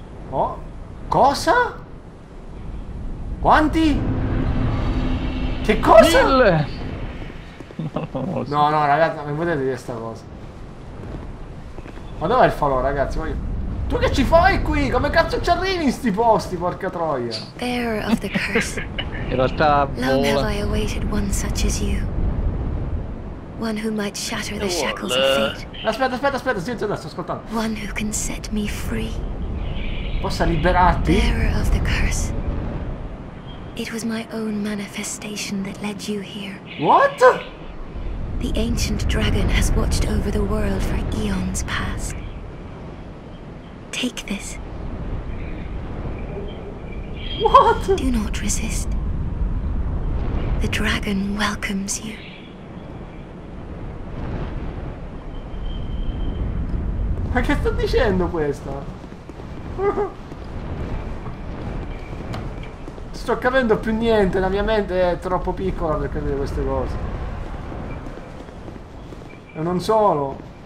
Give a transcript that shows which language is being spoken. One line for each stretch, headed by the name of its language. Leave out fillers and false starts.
Italian: Oh. Cosa? Quanti? Che cosa? Mille! No, no, ragazzi, mi potete dire sta cosa? Ma dov'è il falò, ragazzi? Tu che ci fai qui? Come cazzo ci arrivi in sti posti, porca troia?
English: Bearer of the curse.
Italian: In realtà,
English: long have I awaited one such as you. One who might shatter the shackles of fate.
Italian: Aspetta, sì, adesso sto ascoltando.
English: One who can set me free.
Italian: Possa liberarti?
English: Bearer of the curse. It was my own manifestation that led you here. What? The ancient dragon has watched over the world for eons past. Take this. What? Do not resist. The dragon welcomes you.
Italian: Ma che sta dicendo questa? Sto capendo più niente, la mia mente è troppo piccola per capire queste cose. E non solo.